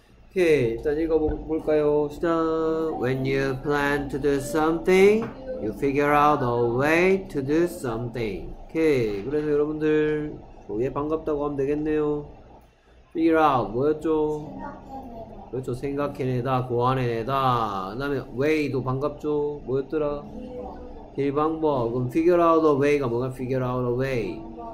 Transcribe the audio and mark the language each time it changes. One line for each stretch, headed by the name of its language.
Korean: 오케이, 일단 읽어볼까요? 시작.
English: When you plan to do something, you figure out a way to do something.
Korean: 오케이, 그래서 여러분들, 예, 반갑다고 하면 되겠네요. Figure out, 뭐였죠? 그렇죠, 생각해내다, 고안해내다. 그다음에 way도 반갑죠? 뭐였더라? 길방법. 그럼
English: figure out a way
Korean: 가 뭐가?
English: Figure out a way.